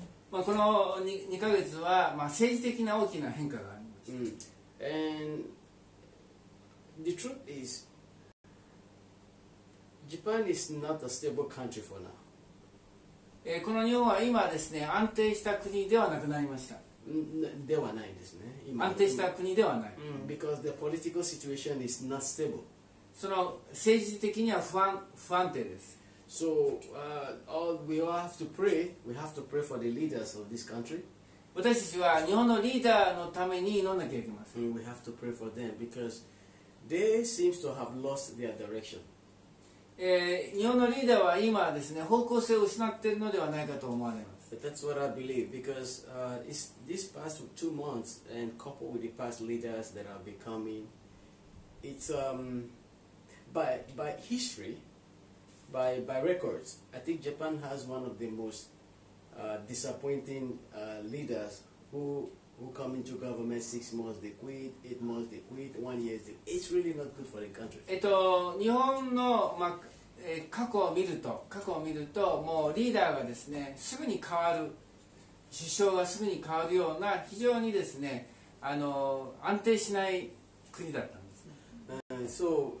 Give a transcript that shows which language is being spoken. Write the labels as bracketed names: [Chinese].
[Japanese] まあこの 2ヶ月は、まあ、政治的な大きな変化がありました。 [English] And the truth is,Japan is not a stable country for now. [Japanese] この日本は今ですね、安定した国ではなくなりました。ではないですね。今安定した国ではない。 [English] Because the political situation is not stable. [Japanese] その政治的には不安定です。 [English] So, all we have to pray. We have to pray for the leaders of this country. [Japanese] 私たちは日本のリーダーのために祈らなきゃいけません。 [English] We have to pray for them because they seem to have lost their direction. [Japanese] 日本のリーダーは今ですね、方向性を失っているのではないかと思われます。 [English] But that's what I believe because it's this past 2 months and coupled with the past leaders that are becoming, it's by history. By records, I think Japan has one of the most disappointing leaders who come into government 6 months they quit, 8 months they quit, 1 year they quit. It's really not good for the country. [Japanese] 日本の、まあ過去を見ると、もうリーダーがですね、すぐに変わる、首相がすぐに変わるような非常にですね、安定しない国だったんですね。